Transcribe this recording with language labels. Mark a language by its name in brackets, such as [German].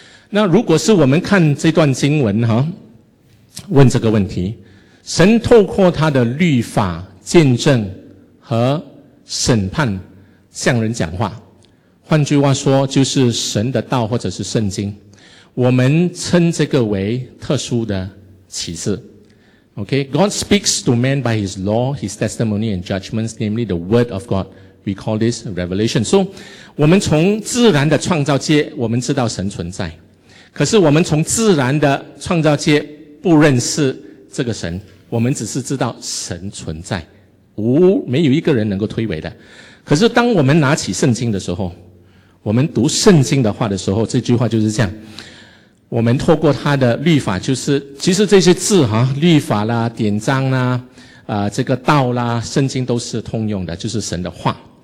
[Chinese] 那如果是我们看这段经文哈，问这个问题，神透过他的律法、见证和审判向人讲话，换句话说就是神的道或者是圣经，我们称这个为特殊的启示。 [English] OK, God speaks to man by his law, his testimony and judgments, namely the word of God we call this revelation. [Chinese] So, 我们从自然的创造界，我们知道神存在。可是我们从自然的创造界不认识这个神，我们只是知道神存在，没有一个人能够推诿的。可是当我们拿起圣经的时候，我们读圣经的话的时候，这句话就是这样，我们透过他的律法，就是其实这些字啊，律法啦，典章啦，这个道啦，圣经都是通用的，就是神的话。